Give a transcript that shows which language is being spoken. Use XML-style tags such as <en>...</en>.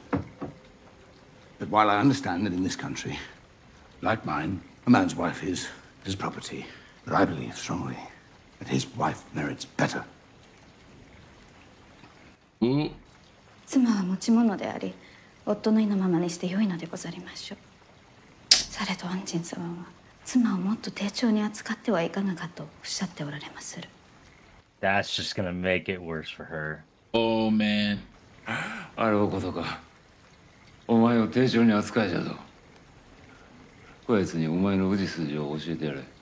<en>But while I understand that in this country, like mine, a man's wife is his property. But I believe strongly that his wife merits better.</en> <ja>Mm. 妻は持ち物であり、夫の意のままにして良いのでござりましょう。されど安心様は、妻をもっと丁重に扱ってはいかがかとおっしゃっておられまする。</ja> <en>That's just gonna make it worse for her. Oh man.</en> <ja>あろうことか。お前を丁重に扱いじゃぞ。こいつにお前の氏筋を教えてやれ。</ja>